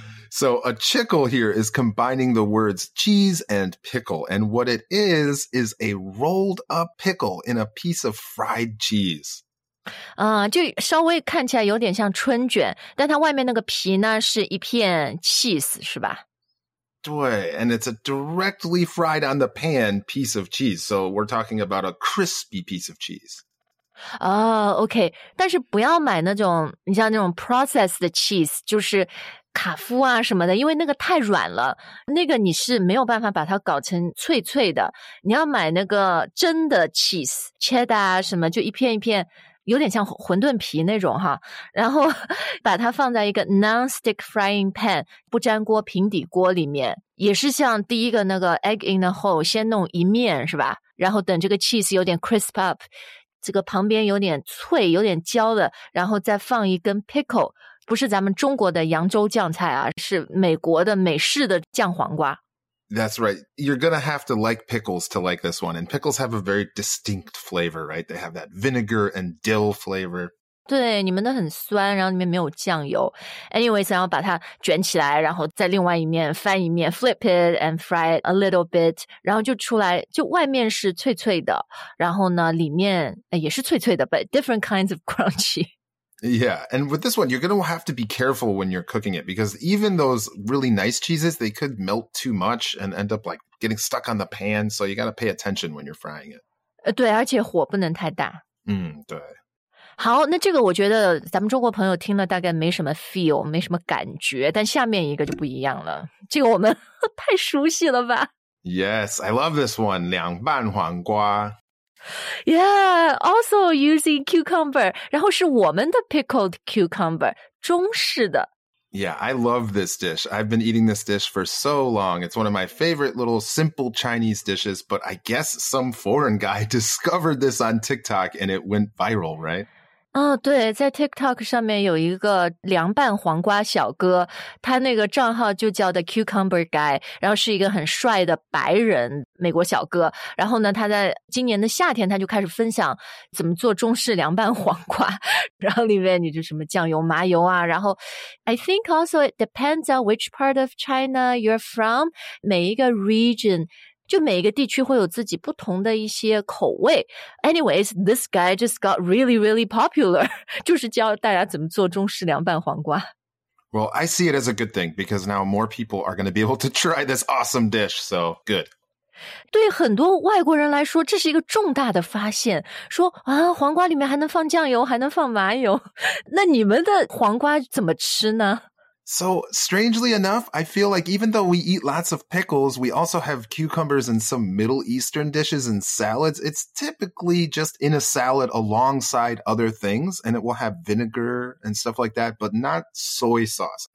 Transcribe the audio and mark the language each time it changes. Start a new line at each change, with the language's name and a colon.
English: So a chicle here is combining the words cheese and pickle. And what it is a rolled up pickle in a piece of fried cheese.
Chinese: 就稍微看起来有点像春卷，但它外面那个皮呢是一片 cheese, 是吧？
English: 对， and it's a directly fried on the pan piece of cheese. So we're talking about a crispy piece of cheese.
Chinese: OK, 但是不要买那种你像那种 processed cheese, 就是卡夫啊什么的，因为那个太软了，那个你是没有办法把它搞成脆脆的，你要买那个真的 cheese, cheddar 什么，就一片一片，有点像馄饨皮那种哈，然后把它放在一个
English: non-stick frying pan,
Chinese: 不粘锅平底锅里面，也是像第一个那个 egg in the hole, 先弄一面是吧，然后等这个 cheese 有点 crisp up,这个旁边有点脆有点焦的，然后再放一根 pickle, 不是咱们中国的扬州酱菜啊，是美国的美式的酱黄瓜。
English: That's right, you're gonna have to like pickles to like this one, and pickles have a very distinct flavor, right? They have that vinegar and dill flavor.
Chinese: 对，你们的很酸，然后里面没有酱油。Anyways, 然后把它卷起来，然后在另外一面翻一面，
English: flip it and fry it a little bit,
Chinese: 然后就出来，就外面是脆脆的，然后呢里面也是脆脆的，
English: but different kinds of crunchy. Yeah, and with this one, you're going to have to be careful when you're cooking it, because even those really nice cheeses, they could melt too much and end up like getting stuck on the pan, so you got to pay attention when you're frying it.
Chinese: 对，而且火不能太大。对。好，那这个我觉得咱们中国朋友听了大概没什么 feel, 没什么感觉，但下面一个就不一样了，这个我们太熟悉了吧。
English: Yes, I love this one, 凉拌黄瓜。 Yeah, also using cucumber.
Chinese: 然后是我们的 pickled cucumber, 中式的。
English: Yeah, I love this dish. I've been eating this dish for so long. It's one of my favorite little simple Chinese dishes, but I guess some foreign guy discovered this on TikTok and it went viral, right?
Chinese: 对，在 TikTok 上面有一个凉拌黄瓜小哥，他那个账号就叫 The Cucumber Guy, 然后是一个很帅的白人美国小哥。然后呢，他在今年的夏天他就开始分享怎么做中式凉拌黄瓜，然后里面你就什么酱油麻油啊，然后
English: I think also it depends on which part of China you're from,
Chinese: 每一个 region,就每一个地区会有自己不同的一些口味。
English: Anyways, this guy just got really, really popular.
Chinese: 就是教大家怎么做中式凉拌黄瓜。
English: Well, I see it as a good thing, because now more people are going to be able to try this awesome dish, so good.
Chinese: 对很多外国人来说，这是一个重大的发现。说啊，黄瓜里面还能放酱油，还能放麻油。那你们的黄瓜怎么吃呢？
English: So, strangely enough, I feel like even though we eat lots of pickles, we also have cucumbers in some Middle Eastern dishes and salads. It's typically just in a salad alongside other things, and it will have vinegar and stuff like that, but not soy sauce.